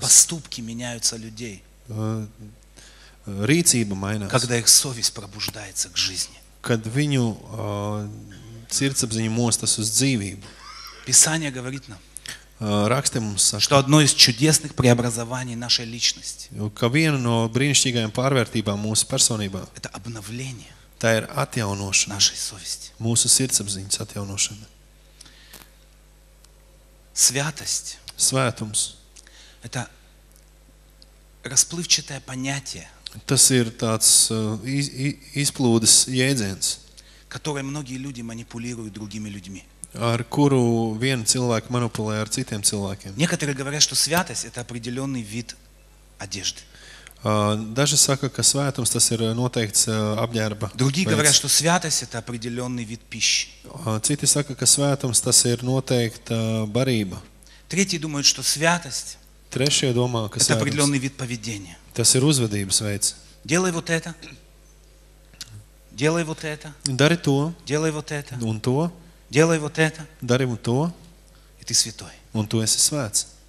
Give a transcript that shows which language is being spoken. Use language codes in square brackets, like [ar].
[ru] Поступки меняются людей. [lv] Rīcība mainās. [ru] Когда их совесть пробуждается к жизни. [lv] Kad viņu sirdsapziņa mostas uz dzīvību. [ru] Писание говорит нам. [lv] Raksti mums saka, [ru] что одно из чудесных преобразований нашей личности. [lv] Ka viena no brīnišķīgajām pārvērtībām mūsu personībā. [ru] Это обновление. [lv] Tā ir atjaunošana. [ru] Нашей совести. [lv] Mūsu sirdsapziņas atjaunošana. [ru] Святость. [lv] Svētums. [ru] Это расплывчатое понятие. [lv] Tas ir tāds izplūdes jēdziens, [ru] который многие люди манипулируют другими людьми. [lv] Ar kuru vienu cilvēku manipulē ar citiem cilvēkiem. [ru] Некоторые говорят, что святость это определённый вид одежды. [lv] Даже сака, ka svētums tas ir noteikts apģērba. [ru] Другие говорят, что святость это определённый вид пищи. [lv] Citi saka, ka svētums tas ir noteikta barība. [ru] Третьи думают, что святость. [lv] Trešie domā, ka [ru] svētums. Это определённый вид поведения. [lv] Tas ir uzvedības veids. [ru] Делай вот это. Делай вот это. [lv] Dari to. [ru] Делай вот это. [lv] Un to. [ru] Делай вот это. [lv] Dari to. [ru] И ты святой. [lv] Un tu esi svēts.